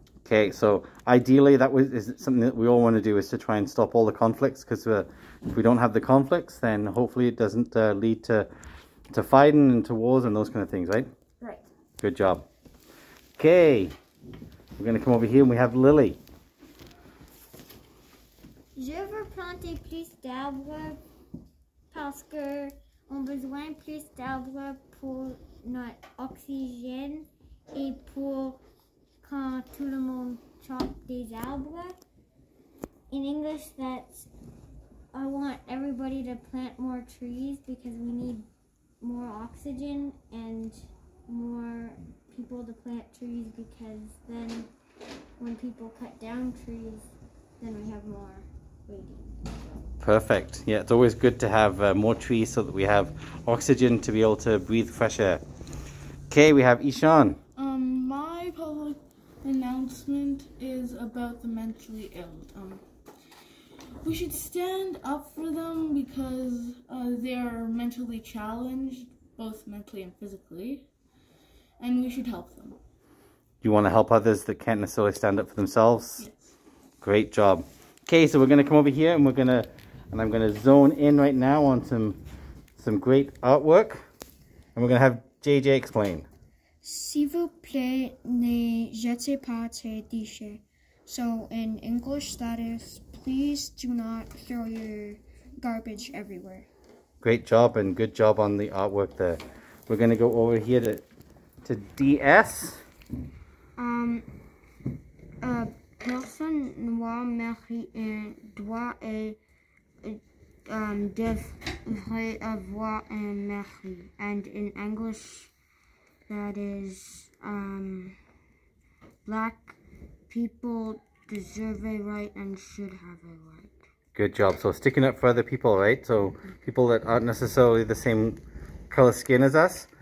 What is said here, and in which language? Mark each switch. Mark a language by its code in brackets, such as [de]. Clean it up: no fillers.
[en] Okay, so ideally is something that we all want to do, is to try and stop all the conflicts, because if we don't have the conflicts, then hopefully it doesn't lead to fighting and to wars and those kind of things, right? Right. Good job. Okay. We're going to come over here and we have Lily. [fr] Je veux planter plus d'arbres parce que on besoin plus d'arbres pour notre oxygène et pour quand tout le monde chop des arbres. [en] In English, that's I want everybody to plant more trees because we need more oxygen and more people to plant trees because then when people cut down trees, then we have more waiting. Perfect. Yeah, it's always good to have more trees so that we have oxygen to be able to breathe fresh air. Okay, we have Ishan. My public announcement is about the mentally ill. We should stand up for them because they are mentally challenged, both mentally and physically, and we should help them. You want to help others that can't necessarily stand up for themselves? Yes. Great job. Okay, so we're going to come over here and I'm going to zone in right now on some great artwork. And we're going to have JJ explain. [fr] S'il vous plaît, ne jetez pas tes déchets. [en] So in English that is, please do not throw your garbage everywhere. Great job, and good job on the artwork there. We're going to go over here to DS. [fr] Personne noire mérite un droit et devrait avoir un mérite. [en] And in English, that is, black people deserve a right and should have a right. Good job. So sticking up for other people, right? So people that aren't necessarily the same color skin as us.